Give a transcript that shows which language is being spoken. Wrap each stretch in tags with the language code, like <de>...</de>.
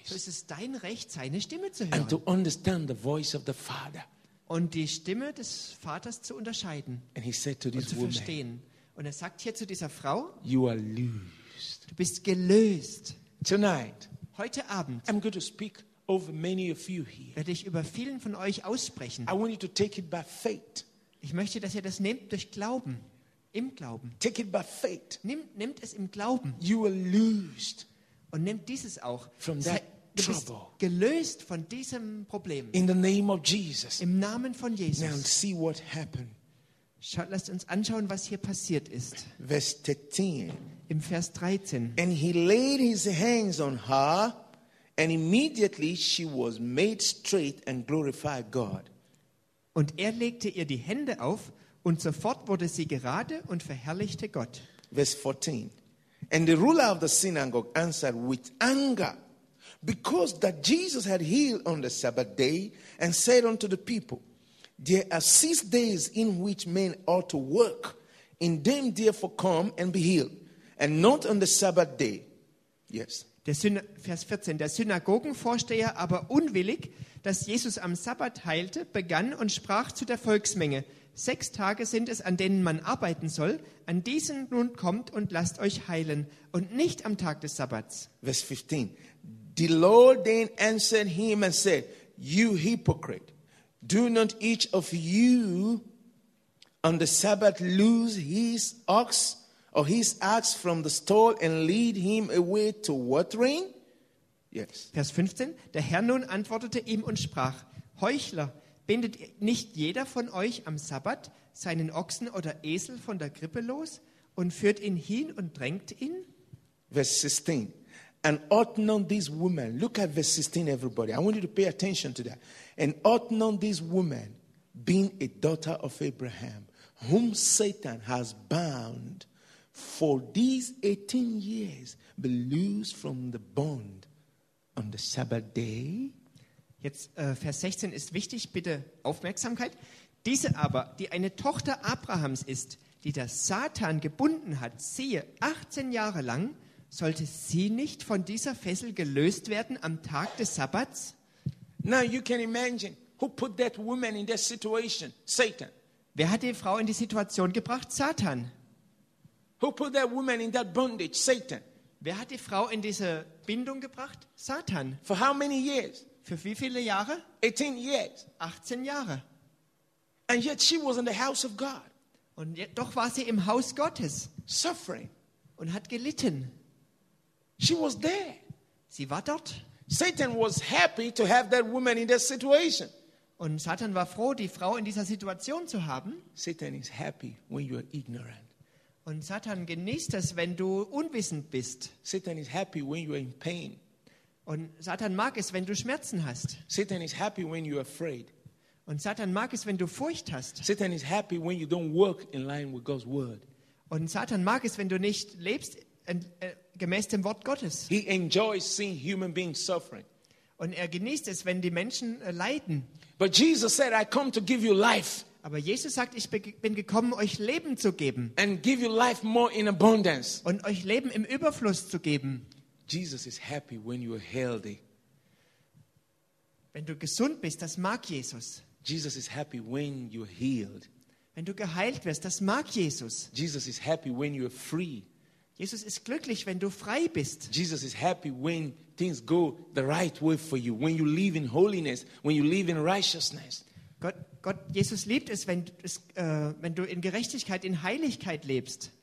<de>So ist es dein Recht, seine Stimme zu hören.</de> <en>And to understand the voice of the Father.</en> <de>Und die Stimme des Vaters zu unterscheiden</de> <en>and he said to</en> <de>und</de> <en>this</en> <de>zu verstehen.</de> <en>Woman,</en> <de>und er sagt hier zu dieser Frau,</de> <en>you are loosed.</en> <de>Du bist gelöst.</de> <en>Tonight,</en> <de>heute Abend</de> <en>I'm going to speak over many of you here.</en> <de>Werde ich über vielen von euch aussprechen.</de> <en>I want you to take it by faith.</en> <de>Ich möchte, dass ihr das nehmt durch Glauben, im Glauben.</de> <en>Take it by faith.</en> <de>Nehmt es im Glauben.</de> <en>You are loosed.</en> <de>Und nehmt dieses auch.</de> <en>From that</en> <de>du bist gelöst von diesem Problem.</de> <en>In the name of Jesus.</en> <de>Im Namen von Jesus.</de> <en>Now see what happened.</en> <de>Schaut, lasst uns anschauen, was hier passiert ist. Vers 13. Im Vers 13.</de> <en>And he laid his hands on her, and immediately she was made straight and glorified God.</en> <de>Und er legte ihr die Hände auf, und sofort wurde sie gerade und verherrlichte Gott.</de> <en>Verse 14. And the ruler of the synagogue answered with anger, because that Jesus had healed on the Sabbath day, and said unto the people, there are 6 days in which men ought to work. In them therefore come and be healed, and not on the Sabbath day. Yes.</en> <de>Vers 14. Der Synagogenvorsteher aber unwillig, dass Jesus am Sabbat heilte, begann und sprach zu der Volksmenge, 6 Tage sind es, an denen man arbeiten soll. An diesen nun kommt und lasst euch heilen, und nicht am Tag des Sabbats. Vers 15.</de> <en>The Lord then answered him and said, you hypocrite, do not each of you on the Sabbath loose his ox or his ass from the stall and lead him away to watering? Yes.</en> <de>Vers 15. Der Herr nun antwortete ihm und sprach, Heuchler, bindet nicht jeder von euch am Sabbat seinen Ochsen oder Esel von der Krippe los und führt ihn hin und drängt ihn? Vers 16.</de> <en>And ought not this woman, look at verse 16, everybody. I want you to pay attention to that. And ought not this woman, being a daughter of Abraham, whom Satan has bound for these 18 years, be loosed from the bond on the Sabbath day?</en> <de>Jetzt, Vers 16 ist wichtig, bitte Aufmerksamkeit. Diese aber, die eine Tochter Abrahams ist, die der Satan gebunden hat, siehe, 18 Jahre lang, sollte sie nicht von dieser Fessel gelöst werden am Tag des Sabbats?</de> <en>Now you can imagine who put that woman in that situation. Satan.</en> <de>Wer hat die Frau in die Situation gebracht? Satan.</de> <en>Who put that woman in that bondage? Satan.</en> <de>Wer hat die Frau in diese Bindung gebracht? Satan.</de> <en>For how many years?</en> <de>Für wie viele Jahre?</de> <en>18 years.</en> <de>18 Jahre.</de> <en>And yet she was in the house of God.</en> <de>Und</de> <en>yet,</en> <de>doch war sie im Haus Gottes.</de> <en>Suffering.</en> <de>Und hat gelitten.</de> <en>She was there.</en> <de>Sie war dort.</de> <en>Satan was happy to have that woman in that situation.</en> <de>Und Satan war froh, die Frau in dieser Situation zu haben.</de> <en>Satan is happy when you are ignorant.</en> <de>Und Satan genießt es, wenn du unwissend bist.</de> <en>Satan is happy when you are in pain.</en> <de>Und Satan mag es, wenn du Schmerzen hast.</de> <en>Satan is happy when you are afraid.</en> <de>Und Satan mag es, wenn du Furcht hast.</de> <en>Satan is happy when you don't work in line with God's word.</en> <de>Und Satan mag es, wenn du nicht lebst gemäß dem Wort Gottes.</de> <en>He enjoys seeing human beings suffering.</en> <de>Und er genießt es, wenn die Menschen leiden.</de> <en>But Jesus said, I come to give you life.</en> <de>Aber Jesus sagt, ich bin gekommen, euch Leben zu geben.</de> <en>And give you life more in abundance.</en> <de>Und euch Leben im Überfluss zu geben.</de> <en>Jesus is happy when you are healthy.</en> <de>Wenn du gesund bist, das mag Jesus.</de> <en>Jesus is happy when you are healed.</en> <de>Wenn du geheilt wirst, das mag Jesus.</de> <en>Jesus is happy when you are free.</en> <de>Jesus ist glücklich, wenn du frei bist.</de> <en>Jesus is happy when things go the right way for you, when you live in holiness, when you live in righteousness.</en> <de>Gott, Jesus liebt es, wenn du in Gerechtigkeit, in Heiligkeit lebst.</de>